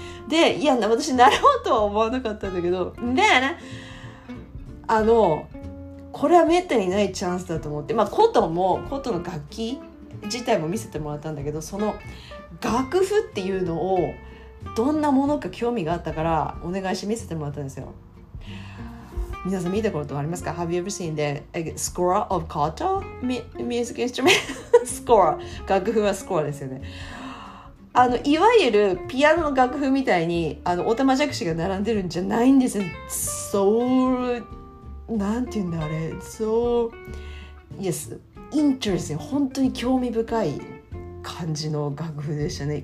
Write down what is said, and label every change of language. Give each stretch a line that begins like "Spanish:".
Japanese: で、いや、私なろうとは思わなかったんだけど、で、あの、これはめったにないチャンスだと思って、まあ、コトもコトの楽器自体も見せてもらったんだけど、その楽譜っていうのをどんなものか興味があったからお願いして見せてもらったんですよ。皆さん見たことありますか？
English: Have you ever seen the score of Koto music instrument?
Japanese: score 楽譜はスコアですよね。あのいわゆるピアノの楽譜みたいにあのオタマジャクシが並んでるんじゃないんですよ。 So なんていうんだあれ、
English: So yes interesting
Japanese: 本当に興味深い感じの楽譜でしたね。